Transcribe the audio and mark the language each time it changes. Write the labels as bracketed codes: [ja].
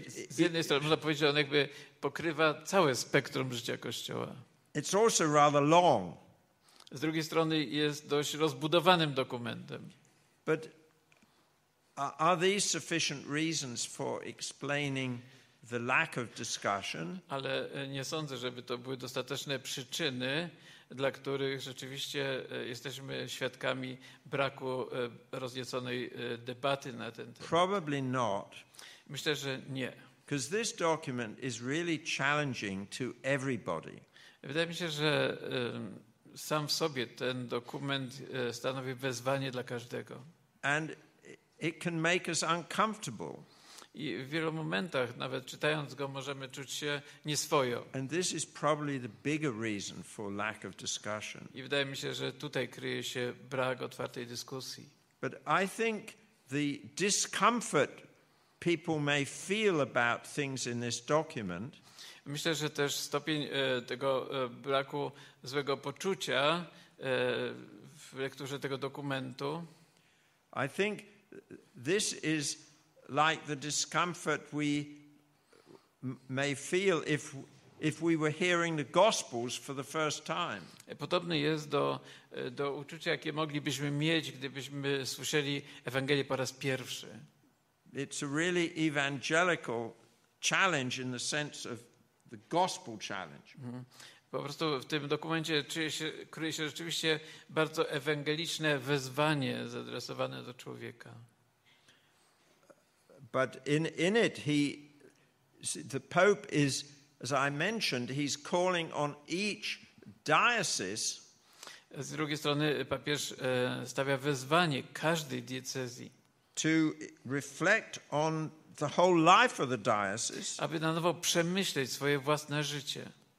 [pl] Z jednej strony można powiedzieć, że on jakby pokrywa całe spektrum życia Kościoła. [en] It's also rather long. [pl] Z drugiej strony jest dość rozbudowanym dokumentem. [en] But are these sufficient reasons for explaining the lack of discussion? [pl] Ale nie sądzę, żeby to były dostateczne przyczyny, dla których rzeczywiście jesteśmy świadkami braku rozniesionej debaty na ten temat. [en] Probably not. [pl] Myślę, że nie. [en] Because this document is really challenging to everybody. [pl] Wydaje mi się, że sam w sobie ten dokument stanowi wezwanie dla każdego. [en] And it can make us uncomfortable. [pl] I w wielu momentach, nawet czytając go, możemy czuć się nieswojo. [en] And this is probably the bigger reason for lack of discussion. [pl] I wydaje mi się, że tutaj kryje się brak otwartej dyskusji. [en] But I think the discomfort people may feel about things in this document. [pl] Myślę, że też stopień tego braku złego poczucia w lekturze tego dokumentu. [en] I think this is like the discomfort we may feel if we were hearing the Gospels for the first time. [pl] Podobny jest do uczucia, jakie moglibyśmy mieć, gdybyśmy słyszeli Ewangelię po raz pierwszy. [en] It's a really evangelical challenge in the sense of the gospel challenge. [pl] Po prostu w tym dokumencie kryje się rzeczywiście bardzo ewangeliczne wezwanie zaadresowane do człowieka. [en] But in it the Pope is, as I mentioned, he's calling on each diocese. [pl] Z drugiej strony papież stawia wezwanie każdej diecezji. [en] To reflect on the whole life of the diocese. [pl] Aby na nowo przemyśleć swoje własne życie.